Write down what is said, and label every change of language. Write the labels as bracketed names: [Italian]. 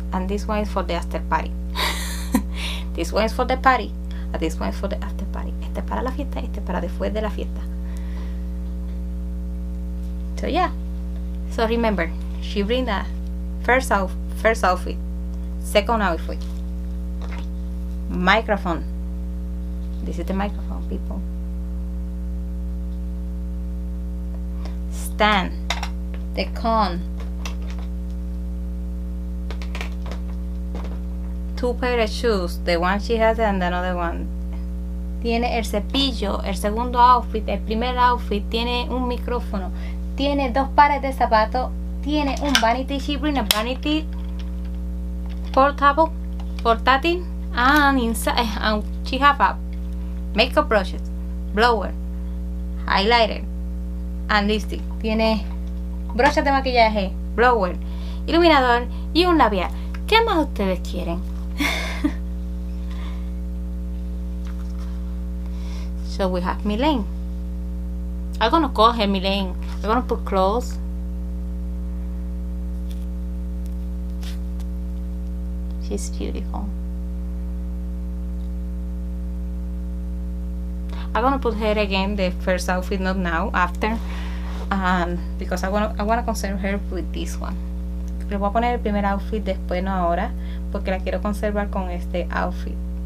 [English] And this one is for the after party. This one is for the party. And this one is for the after party. [Spanish] Este es para la fiesta y este es para después de la fiesta. [English] So yeah. So remember, she bring the first outfit, second outfit, microphone. This is the microphone, people. Stand, the con, two pair of shoes, the one she has and another one. [Spanish] Tiene el cepillo, el segundo outfit, el primer outfit, tiene un micrófono. Tiene dos pares de zapatos. Tiene un vanity. [English] She bring a vanity [Spanish] portátil. [English] And inside, and she have a makeup brush, blower, highlighter, and lipstick. [Spanish] Tiene brochas de maquillaje, blower, iluminador y un labial. ¿Qué más ustedes quieren? [English] So we have Milane. [Spanish] Algo nos coge Milane. [English] I'm gonna put clothes. She's beautiful. I'm gonna put her again, the first outfit, not now, after. Because I wanna conserve her with this one. [Spanish] Le voy a poner el primer outfit después, no ahora, porque la quiero conservar con este outfit.